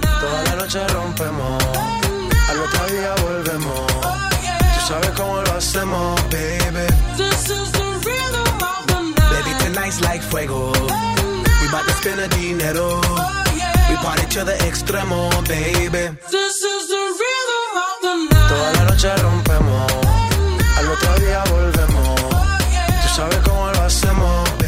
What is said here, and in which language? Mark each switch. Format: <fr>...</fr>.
<es>Toda la noche rompemos, al otro día volvemos. Tú sabes cómo lo hacemos, baby.</es> <en>This is the rhythm of the night. Baby, tonight's like fuego. We about to spend the dinero. We party to the extremo, baby. This is the rhythm of the night.</en> <es>Toda la noche rompemos, al otro día volvemos. Tú sabes cómo lo hacemos.</es>